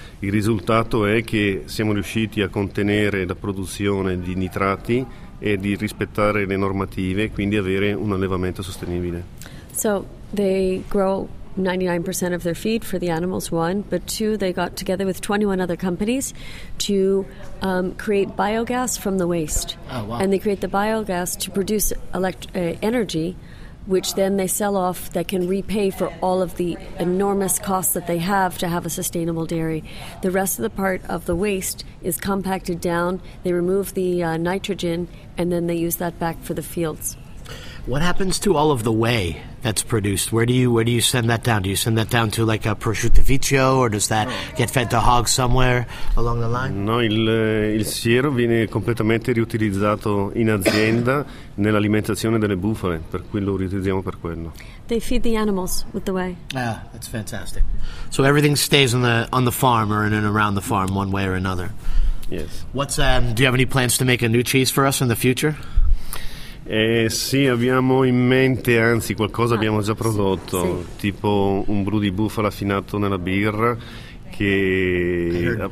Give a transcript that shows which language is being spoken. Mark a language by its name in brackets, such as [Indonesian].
[Italian] Il risultato è che siamo riusciti a contenere la produzione di nitrati e di rispettare le normative, quindi avere un allevamento sostenibile. [English] So they grow 99% of their feed for the animals, one, but two, they got together with 21 other companies to create biogas from the waste. Oh, wow. And they create the biogas to produce energy which then they sell off that can repay for all of the enormous costs that they have to have a sustainable dairy. The rest of the part of the waste is compacted down. They remove the nitrogen, and then they use that back for the fields. What happens to all of the whey that's produced? Where do you send that down? Do you send that down to like a prosciutto, or does that get fed to hogs somewhere along the line? [Italian] No, il siero viene completamente riutilizzato in azienda nell'alimentazione delle bufale, per cui lo riutilizziamo per quello. [English] They feed the animals with the whey. Yeah, that's fantastic. So everything stays on the farm or in and around the farm, one way or another. Yes. What's do you have any plans to make a new cheese for us in the future? [Italian] Sì, abbiamo in mente, anzi qualcosa abbiamo già prodotto, sì. Tipo un brew di bufala affinato nella birra che